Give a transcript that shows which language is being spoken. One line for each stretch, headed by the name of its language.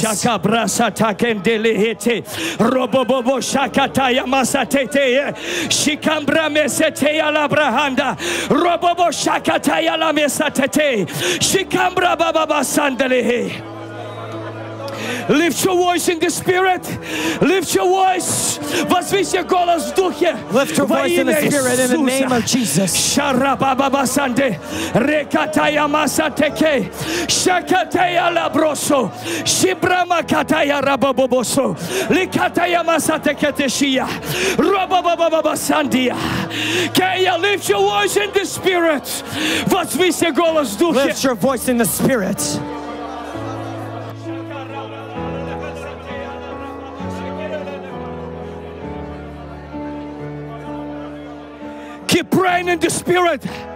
English: Шака браса такен делихете. Робобобо шака тая маса тетее. Шикам брамесе тея ла браханда. Робобо шака тая ла меса тетее. Шикам брабаба санделихе. Lift your voice in the spirit. Lift your voice.
Russian: Возвысь свой голос в духе.
English: Lift your voice in the spirit in the name of Jesus. Shara baba basande. Rekataya masateke. Shakataya labroso. Shibrama kataya rabobobosu. Likataya masateke teshia. Rabobobaba basandia. Can you lift your voice in the spirit?
Russian: Возвысь свой голос в духе.
English: Lift your voice in the spirit. Keep praying in the spirit.